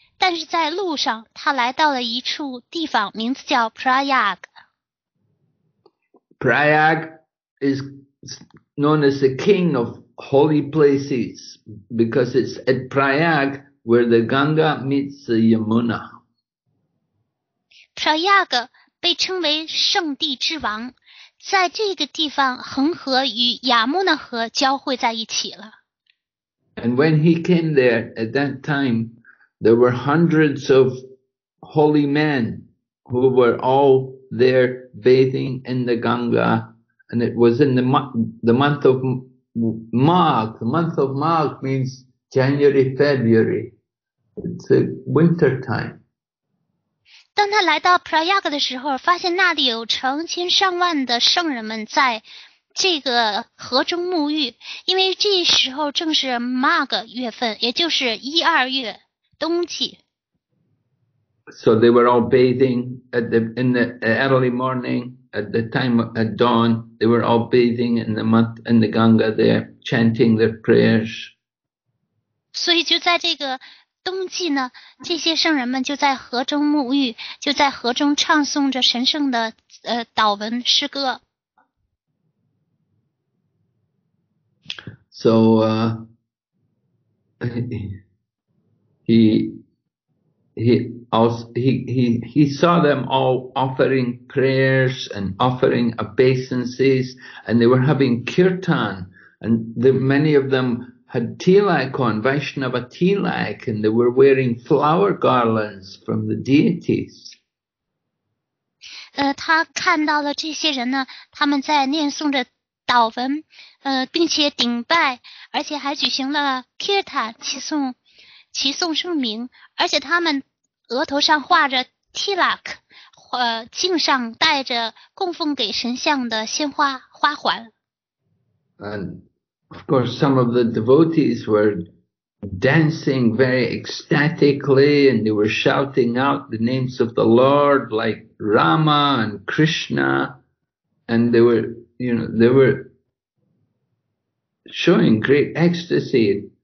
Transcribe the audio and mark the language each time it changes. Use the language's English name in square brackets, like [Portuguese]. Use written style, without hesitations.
[Chinese] 但是在路上，他来到了一处地方，名字叫 Prayag. [English] Prayag is known as the king of holy places because it's at Prayag where the Ganga meets the Yamuna. [Chinese] Prayag 被称为圣地之王，在这个地方，恒河与雅穆纳河交汇在一起了。 [English] And when he came there at that time,There were hundreds of holy men who were all there bathing in the Ganga, and it was in the month of Magh. The month of Magh means January, February. It's a winter time. [Chinese] 当他来到 Prayag 的时候，发现那里有成千上万的圣人们在这个河中沐浴，因为这时候正是 Magh 月份，也就是一二月。冬季。 [English] So they were all bathing in the early morning, at the time at dawn, they were all bathing in the Ganga there, chanting their prayers. [Chinese] 所以就在这个冬季呢，这些圣人们就在河中沐浴，就在河中唱诵着神圣的祷文诗歌。 [English] So, He saw them all offering prayers and offering obeisances, and they were having kirtan, and many of them had tilak on, Vaishnava tilak, and they were wearing flower garlands from the deities. [Chinese] 他看到了这些人呢，他们在念诵着祷文，并且顶拜，而且还举行了 kirtan 齐颂圣名，而且他们额头上画着 tilak, 颈上戴着供奉给神像的鲜花花环。 [English] And of course, some of the devotees were dancing very ecstatically, and they were shouting out the names of the Lord, like Rama and Krishna, and they were showing great ecstasy.